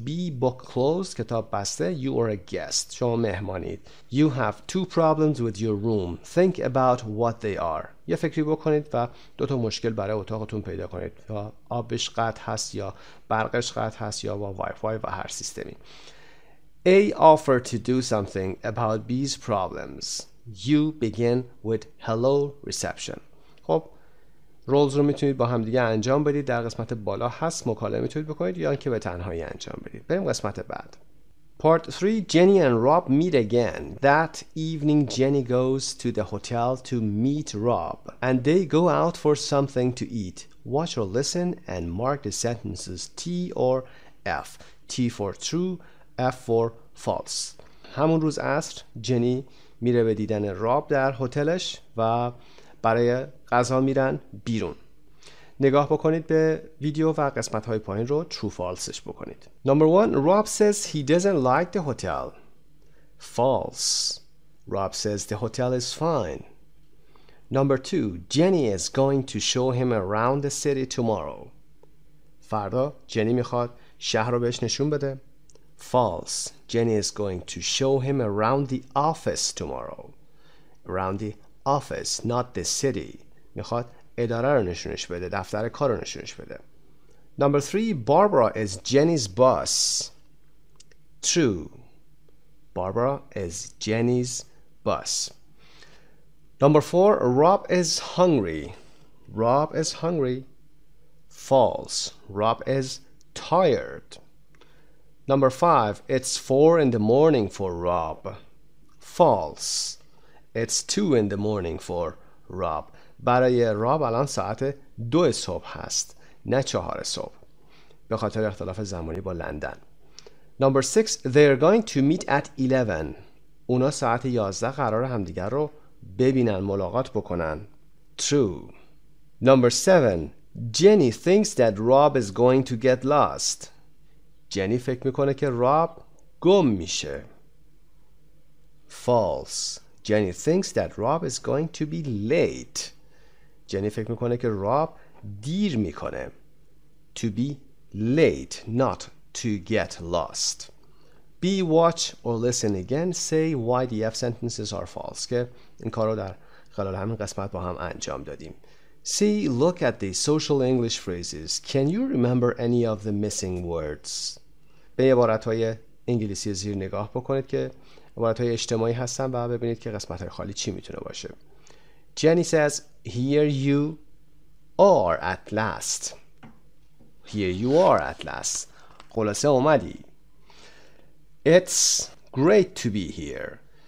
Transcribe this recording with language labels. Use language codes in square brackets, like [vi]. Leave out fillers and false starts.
[en] B, book closed. [fa] کتاب بسته. [en] You are a guest. [fa] شما مهمانید. [en] You have two problems with your room. Think about what they are. [fa] یه فکری بکنید و دوتا مشکل برای اتاقتون پیدا کنید. یا آبش قطع هست یا برقش قطع هست یا با Wi-Fi و هر سیستمی. [en] A, offer to do something about B's problems. You begin with hello reception. [fa] خب رولز رو میتونید با هم دیگه انجام بدید. در قسمت بالا هست، مکالمه میتونید بکنید یا اینکه به تنهایی انجام بدید. بریم قسمت بعد. [en] پا Part 3, Jenny and Rob meet again. That evening, Jenny goes to the hotel to meet Rob, and they go out for something to eat. Watch or listen and mark the sentences T or F. T for true, F for false. [fa] همون روز عصر جنی میره به دیدن راب در هتلش و برای غذا میرن بیرون. نگاه بکنید به ویدیو و قسمت های پایین رو [en] true false [fa] ش بکنید. [en] Number one, Rob says he doesn't like the hotel. False. Rob says the hotel is fine. Number two, Jenny is going to show him around the city tomorrow. [fa] فردا جنی میخواد شهر رو بهش نشون بده. [en] False. Jenny is going to show him around the office tomorrow. Around the office, not the city. [fa] میخواد اداره رو نشونش بده، دفتر کار رو نشونش بده. [en] Number three, Barbara is Jenny's boss. True. Barbara is Jenny's boss. Number four, Rob is hungry. Rob is hungry. False. Rob is tired. Number five, it's 4 in the morning for Rob. False. It's 2 in the morning for Rob. [fa] برای راب الان ساعت 2 صبح هست، نه 4 صبح، به خاطر اختلاف زمانی با لندن. [en] Number six, they're going to meet at 11. [fa] اونا ساعت 11 قرار همدیگر رو ببینن، ملاقات بکنن. [en] True. Number seven, Jenny thinks that Rob is going to get lost. [fa] جنی فکر میکنه که راب گم میشه. [en] False. Jenny thinks that Rob is going to be late. [fa] جنی فکر میکنه که راب دیر میکنه. [en] To be late, not to get lost. Be watch or listen again. Say why the F sentences are false. [fa] که این کار رو در خلال همین قسمت با هم انجام دادیم. [en] See, look at the social English phrases. Can you remember any of the missing words? [fa] به عبارت‌های انگلیسی زیر نگاه بکنید که عبارت‌های اجتماعی هستن و ببینید که قسمت‌های خالی چی میتونه باشه. [en] Jenny says, here you are at last. Here you are at last. [fa] خلاصه اومدی. [en] It's great to be here.